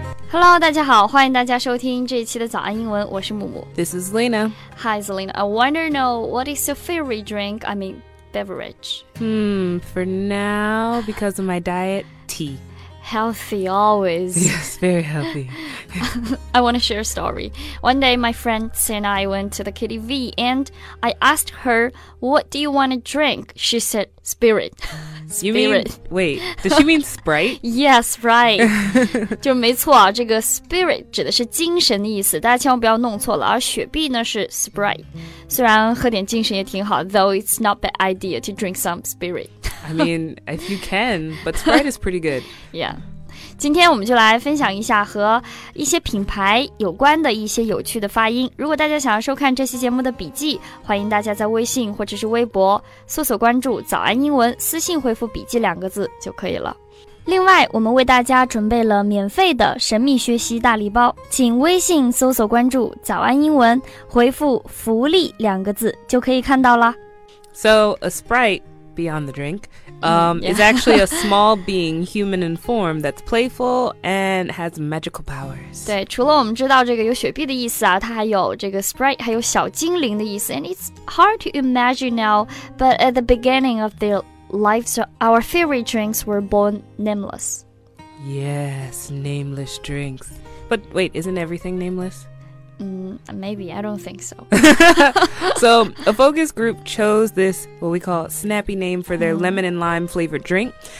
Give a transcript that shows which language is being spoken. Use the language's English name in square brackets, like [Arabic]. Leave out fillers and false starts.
[English] Hello, [Chinese] 大家好，欢迎大家收听这一期的早安英文，我是木木。 [English] This is Zelina. Hi, Zelina. I wonder know, what is your favorite drink, I mean, beverage? For now, because of my diet, tea. Healthy, always. Yes, very healthy. I want to share a story. One day, my friend and I went to the KTV, and I asked her, what do you want to drink? She said, spirit. Does she mean Sprite? Yes, right. [Chinese] 就没错啊，这个 Spirit 指的是精神的意思，大家千万不要弄错了，而雪碧呢是 Sprite。虽然喝点精神也挺好 [English] though it's not bad idea to drink some Spirit. I mean, if you can, but Sprite is pretty good. Yeah. [Chinese] 今天我们就来分享一下和一些品牌有关的一些有趣的发音。如果大家想要收看这期节目的笔记，欢迎大家在微信或者是微博搜索关注早安英文，私信回复笔记两个字就可以了。另外，我们为大家准备了免费的神秘学习大礼包，请微信搜索关注早安英文，回复福利两个字就可以看到了。 [English] So a Sprite beyond the drink, is actually a small being, human in form, that's playful and has magical powers. [Chinese] 对，除了我们知道这个有雪碧的意思啊，它还有这个 sprite, 还有小精灵的意思。 [English] And it's hard to imagine now, but at the beginning of their lives, our favorite drinks were born nameless. Yes, nameless drinks. But wait, isn't everything nameless? Maybe, I don't think so. So, a focus group chose this, what we call snappy name for their lemon and lime flavored drink.